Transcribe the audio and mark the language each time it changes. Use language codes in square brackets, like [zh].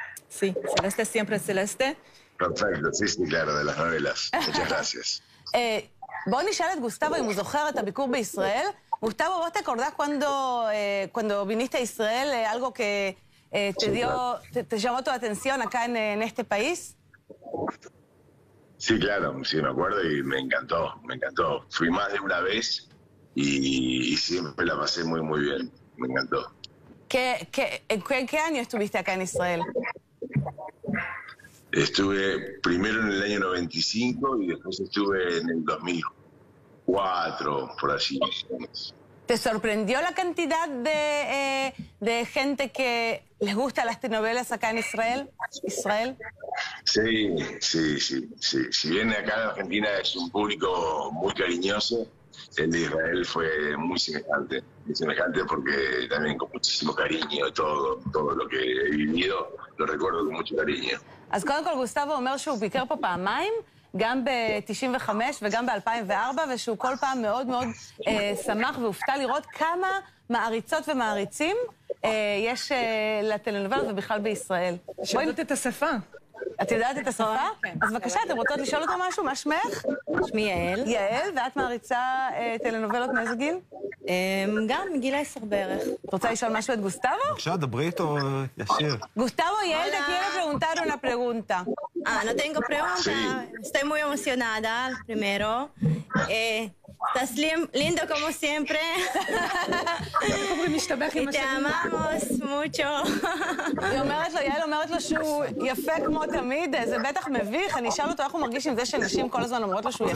[es] Sí, Celeste siempre Celeste. Perfecto, sí, sí, claro, de las novelas. Muchas gracias. [he] בואו נשאל את גוסטבו אם הוא זוכר את הביקור בישראל. [es] Gustavo, ¿vos te acordás cuando viniste a Israel, algo que te llamó tu atención acá en este país? Sí, claro, sí me acuerdo y me encantó, me encantó. Fui más de una vez y siempre la pasé muy, muy bien, me encantó. ¿En qué año estuviste acá en Israel? Estuve primero en el año 95 y después estuve en el 2004, por así decirlo. ¿Te sorprendió la cantidad de gente que les gusta las telenovelas acá en Israel? ¿Israel? Sí, sí, sí, sí. Si bien acá en Argentina es un público muy cariñoso, el de Israel fue muy semejante. Muy semejante porque también con muchísimo cariño todo lo que he vivido, lo recuerdo con mucho cariño. Así que Gustavo Omer Shu Piker Papamaim. [he] גם ב-95 וגם ב-2004, ושהוא כל פעם מאוד מאוד שמח והופתע לראות כמה מעריצות ומעריצים יש לטלנובלה ובכלל בישראל. שיודעת את השפה. את יודעת את השפה? כן. אז בבקשה, אתם רוצות לשאול אותו משהו? מה שמך? שמי יעל. יעל, ואת מעריצה טלנובלות מאיזה גיל? גם מגיל 10 בערך. את רוצה לשאול משהו את גוסטבו? בבקשה, דברי איתו ישיר. גוסטבו, יעל, את יעל פרגונטר או נפרגונטה? [es] No tengo pregunta. Estoy muy emocionada, primero. Estás lindo como siempre. Y te amamos mucho. [he] היא אומרת לו, יעל אומרת לו שהוא יפה כמו תמיד, זה בטח מביך. אני אשאל אותו איך הוא מרגיש עם זה שנשים כל הזמן אומרות לו שהוא יפה.